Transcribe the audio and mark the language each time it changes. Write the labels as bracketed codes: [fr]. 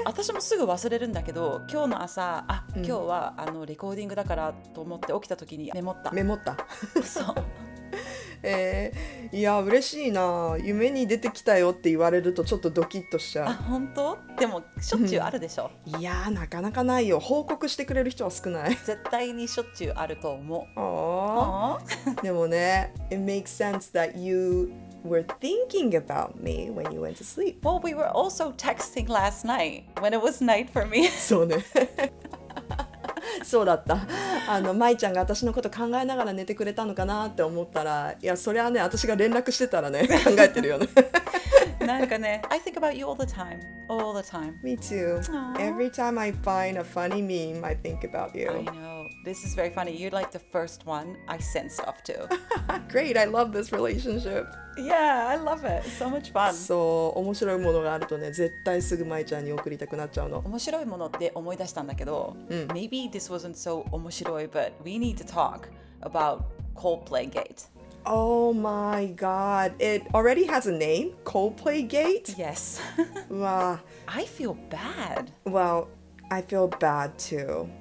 [ja] 私もすぐ忘れるんだけど、今日の朝、あ、うん、今日はあのレコーディングだからと思って起きた時にメモったそう、いや嬉しいな、夢に出てきたよって言われるとちょっとドキッとしちゃう。あ、本当？でもしょっちゅうあるでしょ、うん、いやなかなかないよ、報告してくれる人は少ない。絶対にしょっちゅうあると思う。でもね、 [en] It makes sense that you were thinking about me when you went to sleep. Well, we were also texting last night when it was night for me. [ja] そうねそうだった。あの、まいちゃんが私のこと考えながら寝てくれたのかなって思ったら、いや、それはね、私が連絡してたらね、考えてるよね。なんかね、 [en] I think about you all the time. All the time. Me too. Every time I find a funny meme, I think about you. I know. This is very funny. You're like the first one I sent stuff to. Great. I love this relationship. Yeah, I love it. So much fun. [ja] そう、面白いものがあるとね、絶対すぐまいちゃんに送りたくなっちゃうの。面白いものって思い出したんだけど、うん、 [en] Maybe this wasn't so 面白い, but we need to talk about Coldplay Gate. Oh my god, it already has a name, Coldplay Gate? Yes. Wow. I feel bad. Well, I feel bad too.